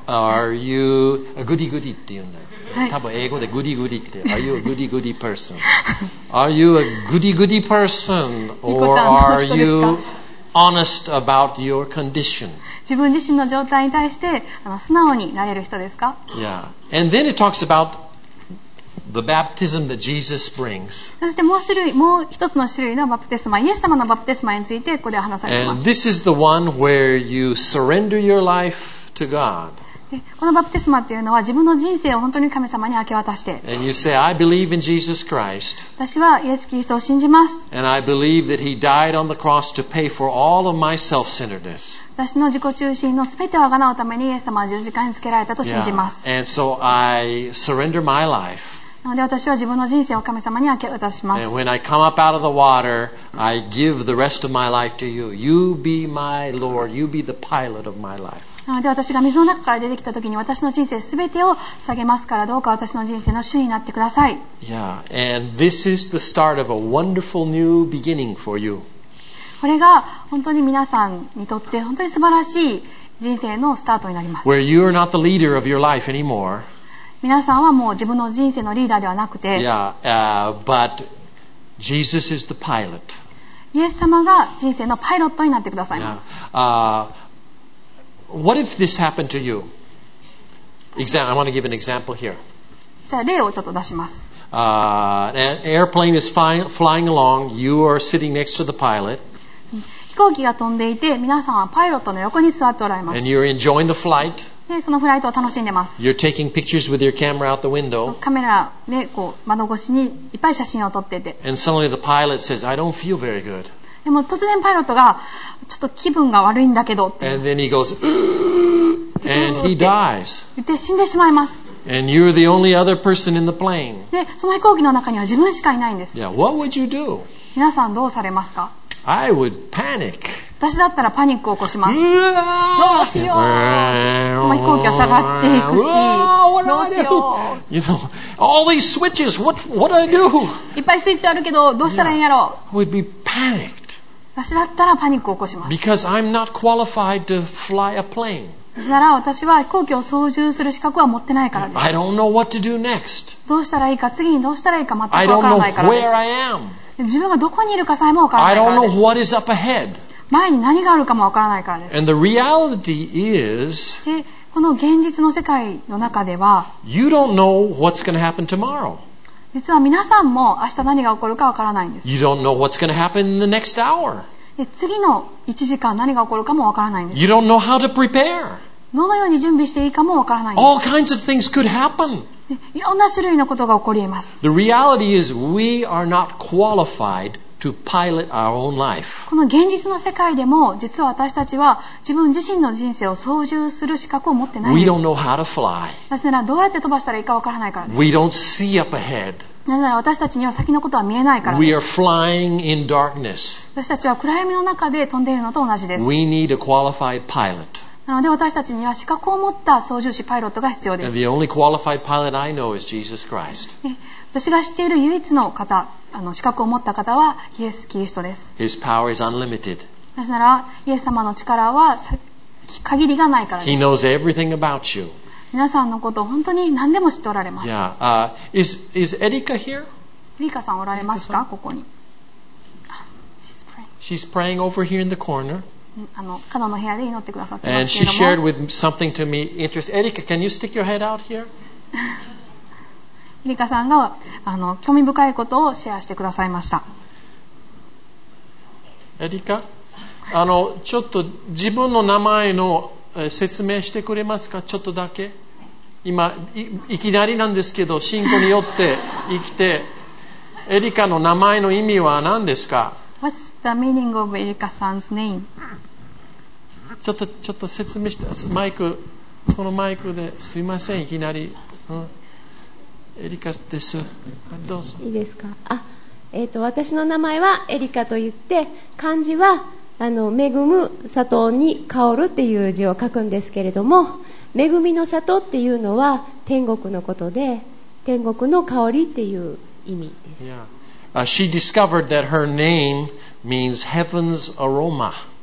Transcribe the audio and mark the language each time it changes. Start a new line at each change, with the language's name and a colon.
English: Are you a goody goody
Japanese: って言うんだよ、はい、多分英語でグリグリって
English: Are you a goody goody person? Are you a goody goody person? Or are you honest about your condition?
Japanese: 自分自身の状態に対して素直になれる人ですか？
English: Yeah. And then it talks aboutThe baptism that Jesus brings.
Japanese: そしてもう一つの種類のバプテスマ、イエス様のバプテスマについてここで話されます。
English: And this is the one where you surrender your life to God.
Japanese: このバプテスマというのは自分の人生を本当に神様に明け渡して。
English: And you say, I believe in Jesus Christ.
Japanese: 私はイエス・キリストを信じます。
English: And I believe that He died on the cross to pay for all of my self-centeredness.
Japanese: 私の自己中心のすべてを賄うためにイエス様は十字架につけられたと信じます。
English: Yeah. And so I surrender my life.
Japanese: なので私は自分の人生を神様に明け渡します。
English: And when I come up out of the water, I give the rest of my life to you. You be my Lord. You be the pilot of my life.
Japanese: で私が水の中から出てきた時に私の人生すべてを下げますからどうか私の人生の主になってください。
English: Yeah, and this is the start of a wonderful new beginning for you.
Japanese: これが本当に皆さんにとって本当に素晴らしい人生のスタートになります。
English: Where you are not the leader of your life anymore.
Japanese: 皆さんはもう自分の人生のリーダーではなくて、
English: Yeah, but Jesus is the pilot.
Japanese: イエス様が人生のパイロットになってくださいます。
English: Yeah. What if this happened to you? I want to give an example here.
Japanese: じゃあ例をちょっと出します。
English: An airplane is flying along. You are sitting next to the pilot.
Japanese: 飛行機が飛んでいて、皆さんはパイロットの横に座っておられます。
English: And you're enjoying the flight.
Japanese: で、そのフライトを楽しんでます。
English: You're taking pictures with your camera out the window.
Japanese: カメラでこう窓越しにいっぱい写真を撮ってて。
English: And suddenly the pilot says, "I don't feel very good."
Japanese: でも突然パイロットがちょっと気分が悪いんだけどって。
English: And then he goes, and he dies.
Japanese: 言って死んでしまいます。
English: And you're the only other person in the plane.
Japanese: で、その飛行機の中には自分しかいないんです。
English: Yeah, what would you do?
Japanese: 皆さんどうされますか?
English: I would panic.
Japanese: 私だったらパニックを起こします。どうしよう。飛行機は下がっていくし。どうしよう。
English: You know. All these switches, what do I do?
Japanese: いっぱいスイッチあるけど、どうしたらいいんやろう?
English: Yeah, I would be panicked.
Japanese: 私だったらパニックを起こします。
English: Because I'm not qualified to fly a plane.
Japanese: ですから私は飛行機を操縦する資格は持ってないからです。
English: I don't know what to do next.
Japanese: どうしたらいいか、次にどうしたらいいか全く分からないからです。
English: I don't know where I am.
Japanese: 自分がどこにいるかさえも分からないからです。
English: I don't know what is up ahead.
Japanese: 前に何があるかも分からないからです。
English: And the reality is...
Japanese: この現実の世界の中では
English: You don't know what's going to happen tomorrow.
Japanese: 実は皆さんも明日何が起こるかわからないんです。
English: You don't know what's going to happen in the next hour.
Japanese: 次の1時間何が起こるかもわからないんです。
English: You don't know how to prepare.
Japanese: どのように準備していいかもわからないんです。
English: All kinds of things could happen.
Japanese: いろんな種類のことが起こり得ます。
English: The reality is we are not qualified. To pilot our own life.
Japanese: この現実の世界でも実は私たちは自分自身の人生を操縦する資格を持ってないです。
English: We don't know how to fly.
Japanese: なぜならどうやって飛ばしたらいいかわからないからです。
English: We don't see up ahead.
Japanese: なぜなら私たちには先のことは見えないからです。
English: We are flying in darkness.
Japanese: 私たちは暗闇の中で飛んでいるのと同じです。
English: We need a qualified pilot.
Japanese: なので私たちには資格を持った操縦士パイロットが必要です。
English: And the only qualified pilot I know is Jesus Christ.
Japanese: 私が知っている唯一の方、資格を持った方はイエス・キリストです。
English: His power is unlimited.
Japanese: なぜならイエス様の力は限りがないからです。
English: He knows everything about you.
Japanese: 皆さんのことを本当に何でも知っておられます。
English: Yeah. Is Erika here?
Japanese: エリカさんおられますか、ここに。
English: She's praying over here in the corner.
Japanese: カノの部屋で祈ってくださってますけども
English: And she shared with something to me interesting. Erika, can you stick your head out here?
Japanese: エリカさんが興味深いことをシェアしてくださいました。エリカ、ちょっと自分の名前の説明してくれますか？ちょっとだけ。今 いきなりなんですけど、信仰によって生きて、エリカの名前の意味は何ですか？
English: What's the meaning of Erika-san's name?
Japanese: ちょっと説明して、マイク、このマイクですいません、いきなり。エリカです。どうぞ。いいですか。私の名前はエリカと言って、漢字は恵む里に香るっていう字を書くんですけれども、恵みの里っていうのは天国のことで、天国の香りっていう意味です。
English: Yeah. She discovered that her name means heaven's aroma.